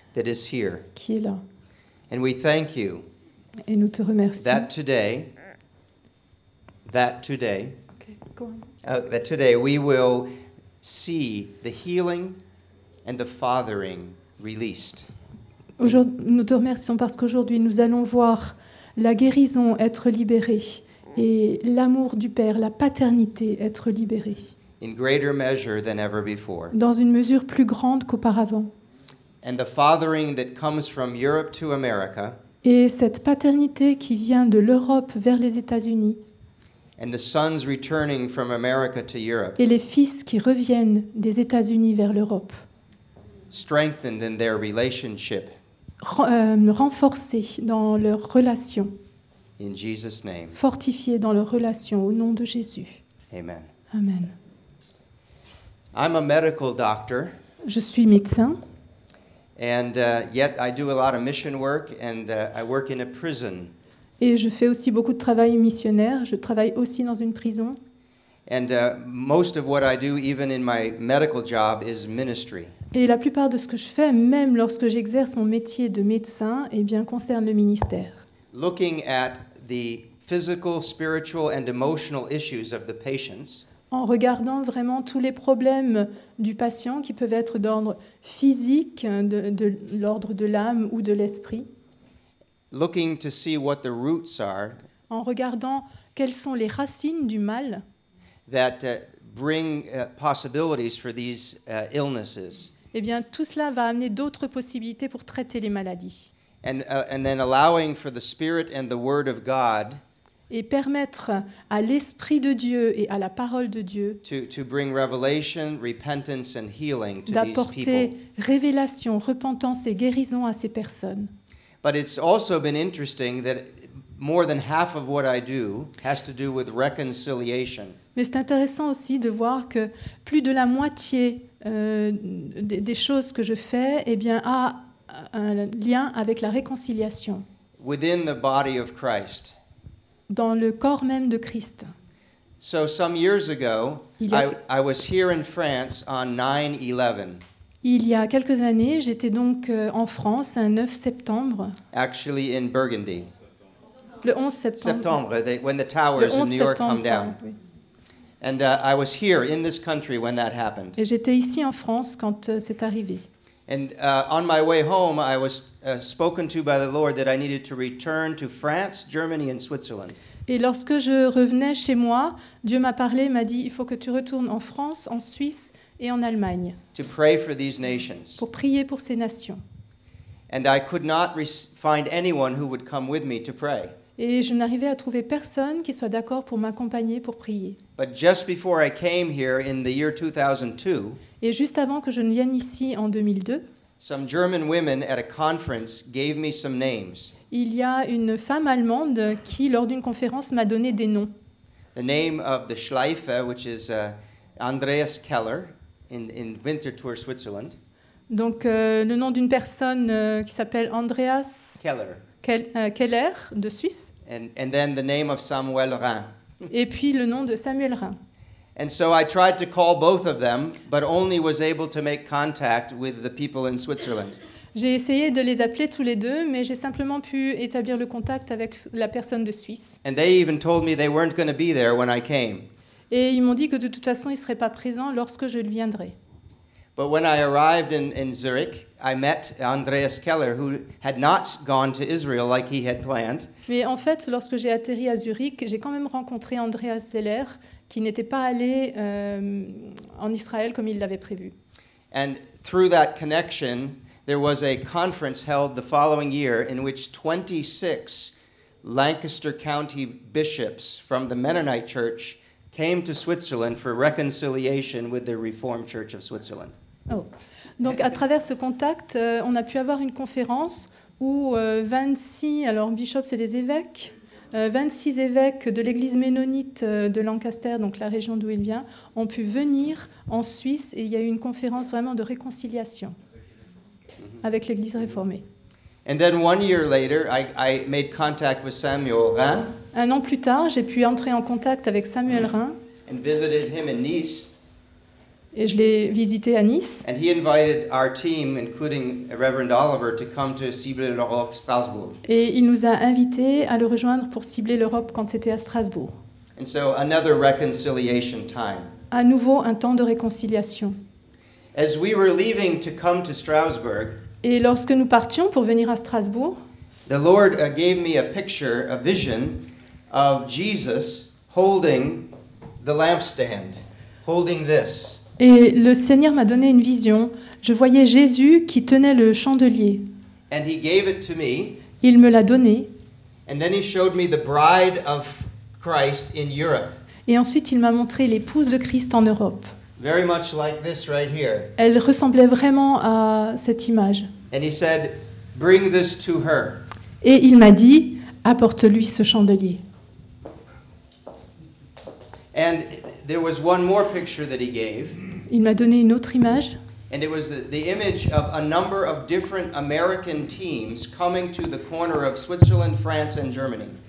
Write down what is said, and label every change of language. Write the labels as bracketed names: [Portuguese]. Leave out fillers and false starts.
[English] that is here. [French] Qui est là. [English] And we thank you [French] et nous te remercions [English] that today, okay, go on. That today we will see the healing and the fathering released. [French] Nous te remercions parce qu'aujourd'hui nous allons voir la guérison être libérée et l'amour du Père, la paternité être libérée. [English] In greater measure than ever before. [French] Dans une mesure plus grande qu'auparavant. [English] And the fathering that comes from Europe to America. [French] Et cette paternité qui vient de l'Europe vers les États-Unis. [English] And the sons returning from America to Europe. [French] Et les fils qui reviennent des États-Unis vers l'Europe. [English] Strengthened in their relationship. [French] Renforcés dans leur relation. [English] In Jesus' name. [French] Fortifiés dans leur relation au nom de Jésus. [English] Amen. [French] Amen. [English] I'm a medical doctor. [French] Je suis médecin. [English] And yet I do a lot of mission work and I work in a prison. [French] Et je fais aussi beaucoup de travail missionnaire, je travaille aussi dans une prison. [English] And most of what I do even in my medical job is ministry. [French] Et la plupart de ce que je fais même lorsque j'exerce mon métier de médecin, eh bien concerne le ministère. [English] Looking at the physical, spiritual and emotional issues of the patients. [French] en regardant vraiment tous les problèmes du patient qui peuvent être d'ordre physique, de l'ordre de l'âme ou de l'esprit. [English] Looking to see what the roots are. [French] En regardant quelles sont les racines du mal. [English] That bring possibilities for these illnesses. [French] Eh bien, tout cela va amener d'autres possibilités pour traiter les maladies. [English] And then allowing for the Spirit and the Word of God. [French] Et permettre à l'Esprit de Dieu et à la Parole de Dieu [English] to bring revelation, repentance and healing to [French] d'apporter [English] these people. [French] Révélation, repentance et guérison à ces personnes. [English] But it's also been interesting that more than half of what I do has to do with reconciliation. [French] Mais c'est intéressant aussi de voir que plus de la moitié des choses que je fais a un lien avec la réconciliation. [English] Within the body of Christ. [French] Dans le corps même de Christ. [English] So some years ago, I was here in France on 9/11. [French] Il y a quelques années, j'étais donc en France un 9 septembre. [English] Actually in Burgundy. [French] Le 11 septembre. [English] September, when the towers in New York come down. [French] Oui. [English] And I was here in this country when that happened. [French] Et j'étais ici en France quand c'est arrivé. [English] And on my way home, I was spoken to by the Lord that I needed to return to France, Germany, and Switzerland. [French] Et lorsque je revenais chez moi, Dieu m'a parlé, m'a dit, il faut que tu retournes en France, en Suisse et en Allemagne. [English] To pray for these nations. [French] Pour prier pour ces nations. [English] And I could not find anyone who would come with me to pray. [French] Et je n'arrivais à trouver personne qui soit d'accord pour m'accompagner pour prier. [English] But just before I came here in the year 2002. [French] Et juste avant que je ne vienne ici en 2002. [English] Some German women at a conference gave me some names. [French] Il y a une femme allemande qui, lors d'une conférence, m'a donné des noms. [English] The name of the Schleife, which is Andreas Keller, in Winterthur, Switzerland. [French] Donc le nom d'une personne qui s'appelle Andreas Keller. Keller de Suisse. [English] And then the name of Samuel Rhin. [French] Et puis le nom de Samuel Rhin. [English] And so I tried to call both of them, but only was able to make contact with the people in Switzerland. [French] J'ai essayé de les appeler tous les deux, mais j'ai simplement pu établir le contact avec la personne de Suisse. [English] And they even told me they weren't going to be there when I came. [French] Et ils m'ont dit que de toute façon, ils ne seraient pas présents lorsque je viendrai. [English] But when I arrived in Zurich, I met Andreas Keller, who had not gone to Israel like he had planned. [French] Mais en fait, lorsque j'ai atterri à Zurich, j'ai quand même rencontré Andreas Keller, qui n'était pas allé en Israël comme il l'avait prévu. [English] And through that connection, there was a conference held the following year in which 26 Lancaster County bishops from the Mennonite Church came to Switzerland for reconciliation with the Reformed Church of Switzerland. [French] Oh. Donc à travers ce contact, on a pu avoir une conférence où 26, alors bishops c'est des évêques, 26 évêques de l'église mennonite de Lancaster, donc la région d'où il vient, ont pu venir en Suisse et il y a eu une conférence vraiment de réconciliation avec l'église réformée. [English] And then one year later, I made contact with Samuel Rhin. [French] Un an plus tard, j'ai pu entrer en contact avec Samuel Rhin. [English] And visited him in Nice. [French] Et je l'ai visité à Nice. [English] And he invited our team, including Reverend Oliver, to come to Cibler l'Europe Strasbourg. [French] Et il nous a invités à le rejoindre pour cibler l'Europe quand c'était à Strasbourg. [English] And so another reconciliation time. [French] À nouveau un temps de réconciliation. [English] As we were leaving to come to Strasbourg. [French] Et lorsque nous partions pour venir à Strasbourg, [English] the Lord gave me a picture, a vision of Jesus holding the lampstand, holding this. [French] Et le Seigneur m'a donné une vision. Je voyais Jésus qui tenait le chandelier. [English] And he gave it to me. [French] Il me l'a donné. [English] And then he showed me the bride of Christ in Europe. [French] Et ensuite, il m'a montré l'épouse de Christ en Europe. [English] Very much like this right here. [French] Elle ressemblait vraiment à cette image. [English] And he said, "Bring this to her." [French] Et il m'a dit, apporte-lui ce chandelier. [English] And there was one more picture that he gave. [French] Il m'a donné une autre image. [English] And it was the image of a number of different American teams coming to the corner of Switzerland, France and Germany.